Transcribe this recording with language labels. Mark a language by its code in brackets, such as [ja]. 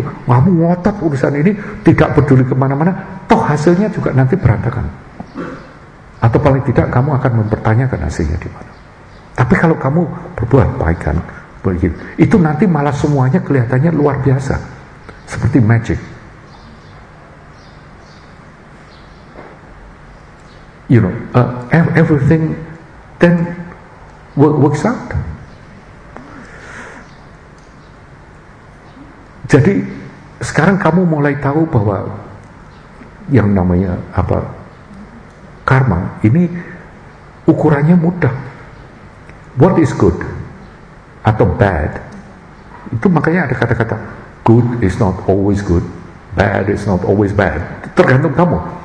[id] Kamu ngotot urusan ini, tidak peduli kemana-mana, toh hasilnya juga nanti berantakan. Atau paling tidak kamu akan mempertanyakan hasilnya di mana. Tapi kalau kamu berbuat baik kan, begitu, itu nanti malah semuanya kelihatannya luar biasa, seperti magic. [en] You know, everything then works out. [id] Jadi sekarang kamu mulai tahu bahwa yang namanya apa karma ini ukurannya mudah. [en] What is good [id] atau bad? Itu makanya ada kata-kata [en] good is not always good, bad is not always bad. [id] Tergantung kamu.